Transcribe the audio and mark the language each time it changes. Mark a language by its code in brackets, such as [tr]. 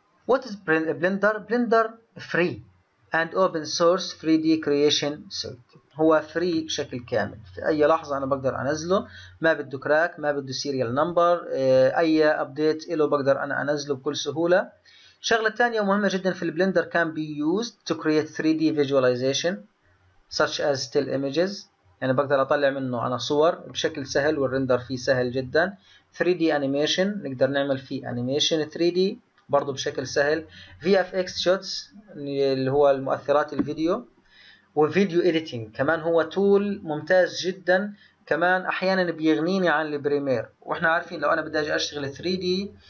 [en] What is Blender? Blender free and open source 3D creation suite. [ar] هو free بشكل كامل، في أي لحظة أنا بقدر أنزله، ما بده كراك، ما بده سيريال نمبر، أي أبديت له بقدر أنا أنزله بكل سهولة. شغلة تانية مهمة جدا في البلندر، can be used to create 3D visualization such as still images. يعني بقدر أطلع منه أنا صور بشكل سهل والرندر فيه سهل جدا. 3D animation نقدر نعمل فيه animation 3D برضه بشكل سهل. VFX shots اللي هو المؤثرات الفيديو. وفيديو editing كمان هو تول ممتاز جدا، كمان احيانا بيغنيني عن البريمير، واحنا عارفين لو انا بدي اجي اشتغل 3D